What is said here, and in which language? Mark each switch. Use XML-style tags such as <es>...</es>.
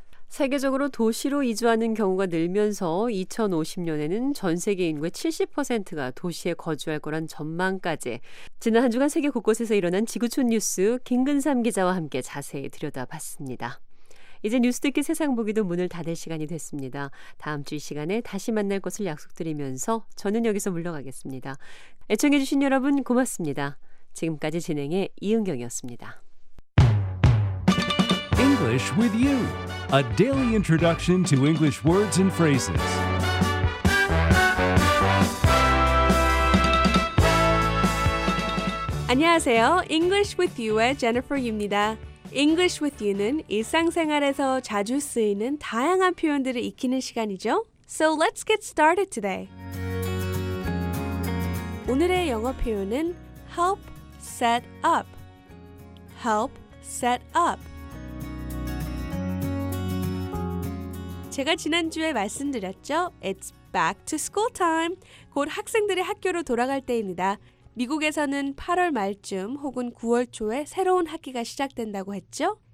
<ko>세계적으로 도시로 이주하는 경우가 늘면서 2050년에는 전 세계 인구의 70%가 도시에 거주할 거란 전망까지 지난 한 주간 세계 곳곳에서 일어난 지구촌 뉴스 김근삼 기자와 함께 자세히 들여다봤습니다. 이제 뉴스 듣기 세상 보기도 문을 닫을 시간이 됐습니다. 다음 주 이 시간에 다시 만날 것을 약속드리면서 저는 여기서 물러가겠습니다. 애청해 주신 여러분 고맙습니다. 지금까지 진행해 이은경이었습니다.</ko> <en>English with you. A daily introduction to English words and phrases.</en> <ko>English with you의 Jennifer입니다. English with you는 일상생활에서 자주 쓰이는 다양한 표현들을 익히는 시간이죠.</ko> <en>So let's get started today.</en> <ko>오늘의 영어 표현은 help set up.</ko> <en>Help set up.</en> <ko>제가 지난주에 말씀드렸죠?</ko> <en>It's back to school time.</en> <ko>곧 학생들이 학교로 돌아갈 때입니다. 미국에서는 8월 말쯤 혹은 9월 초에 새로운 학기가 시작된다고 했죠?</ko>